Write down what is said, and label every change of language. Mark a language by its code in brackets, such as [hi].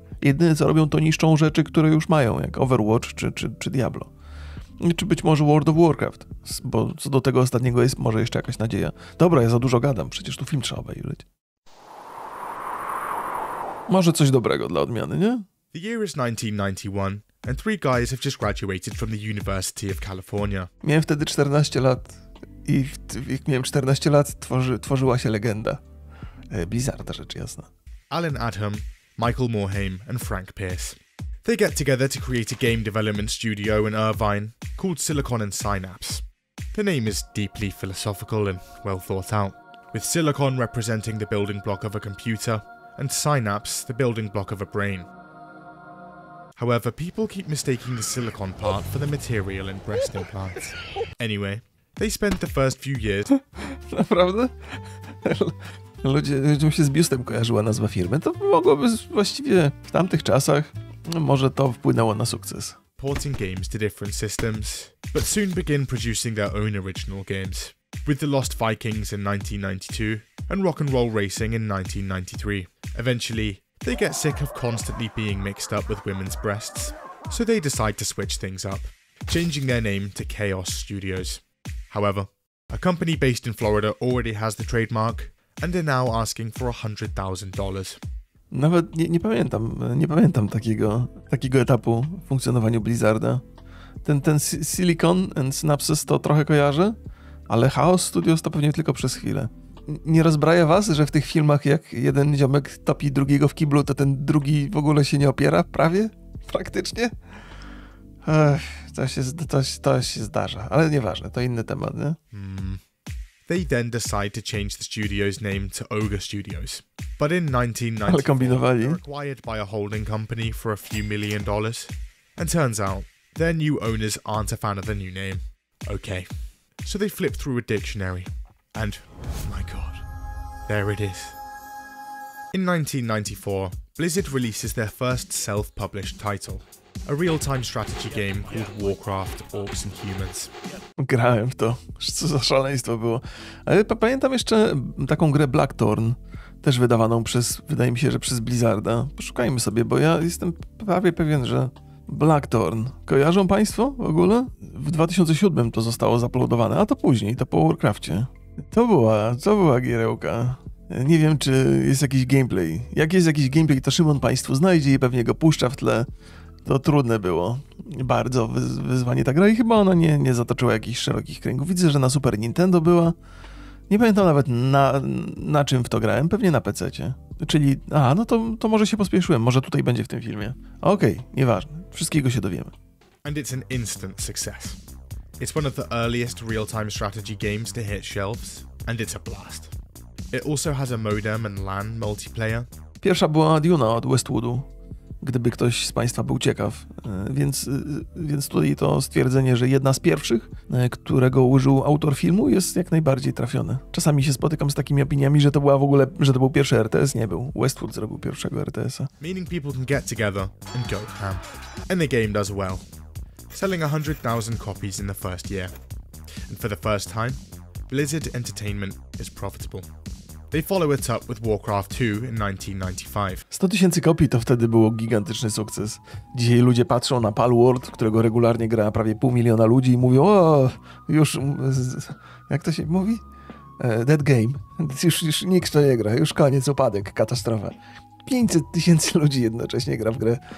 [pl] Jedyne co robią, to niszczą rzeczy, które już mają, jak Overwatch czy Diablo. Czy być może World of Warcraft, bo co do tego ostatniego jest może jeszcze jakaś nadzieja. Dobra, ja za dużo gadam, przecież tu film trzeba obejrzeć. Może coś dobrego dla odmiany, nie? [en] The year is 1991. And three guys have just graduated from the University of California. [pl] Miałem wtedy 14 lat i jak miałem 14 lat, tworzyła się legenda. Blizzarda, rzecz jasna. [en] Alan Adham, Michael Morhaime and Frank Pierce. they get together to create a game development studio in Irvine called Silicon and Synapse. The name is deeply philosophical and well thought out, with silicon representing the building block of a computer, and synapse the building block of a brain. However, people keep mistaking the silicon part for the material in breast implants. Anyway, they spent the first few years... [pl] Naprawdę? Ludziom się z biustem kojarzyła nazwa firmy. To mogłoby właściwie w tamtych czasach, może to wpłynęło na sukces. [en] Porting games to different systems, but soon begin producing their own original games, with The Lost Vikings in 1992 and Rock and Roll Racing in 1993. Eventually, they get sick of constantly being mixed up with women's breasts, so they decide to switch things up, changing their name to Chaos Studios. However, a company based in Florida already has the trademark and are now asking for $100,000. [pl] Nawet nie pamiętam takiego etapu w funkcjonowaniu Blizzarda. Ten Silicon and Synapses to trochę kojarzę, ale Chaos Studios to pewnie tylko przez chwilę. Nie rozbraja was, że w tych filmach jak jeden ziomek topi drugiego w kiblu, to ten drugi w ogóle się nie opiera? Prawie? Praktycznie? Ech, to się zdarza, ale nieważne, to inny temat, nie? [en] They then decide to change the studio's name to Ogre Studios. But in 1994, they're acquired by a holding company for a few million dollars. And turns out, their new owners aren't a fan of the new name. Okay. So they flip through a dictionary. And, oh my god, there it is. In 1994, Blizzard releases their first self-published title. A real-time strategy game called Warcraft Orcs and Humans. [pl] Grałem w to. Co za szaleństwo było. Ale pamiętam jeszcze taką grę Blackthorn, też wydawaną przez, wydaje mi się, że przez Blizzarda. Poszukajmy sobie, bo ja jestem prawie pewien, że Blackthorn. Kojarzą państwo w ogóle? W 2007 to zostało zaplodowane, a to później, to po Warcraftcie. To była gierełka. Nie wiem, czy jest jakiś gameplay. Jak jest jakiś gameplay, to Szymon państwu znajdzie i pewnie go puszcza w tle. To trudne było. Bardzo wyzwanie ta gra i chyba ona nie zatoczyła jakichś szerokich kręgów. Widzę, że na Super Nintendo była. Nie pamiętam nawet na czym w to grałem. Pewnie na PC-cie. Czyli, to może się pospieszyłem. Może tutaj będzie w tym filmie. Okej, nieważne. Wszystkiego się dowiemy. [en] And it's an instant success. It's one of the earliest real-time strategy games to hit shelves. And it's a blast. It also has a modem and LAN multiplayer. [pl] Pierwsza była Duna od Westwoodu. Gdyby ktoś z państwa był ciekaw, więc tutaj to stwierdzenie, że jedna z pierwszych, którego użył autor filmu, jest jak najbardziej trafione. Czasami się spotykam z takimi opiniami, że to była w ogóle, że to był pierwszy RTS, nie był. Westwood zrobił pierwszego RTS-a. [en] Meaning people can get together and go ham. And the game does well. Selling 100,000 copies in the first year. And for the first time, Blizzard Entertainment is profitable. They follow it up with Warcraft 2 in 1995. [pl] 100 tysięcy kopii to wtedy było gigantyczny sukces. Dzisiaj ludzie patrzą na Palworld, którego regularnie gra prawie pół miliona ludzi i mówią, o, już, jak to się mówi? [en] Dead game. [pl] Już nikt to nie gra, już koniec, upadek, katastrofa. 500 tysięcy ludzi jednocześnie gra w grę.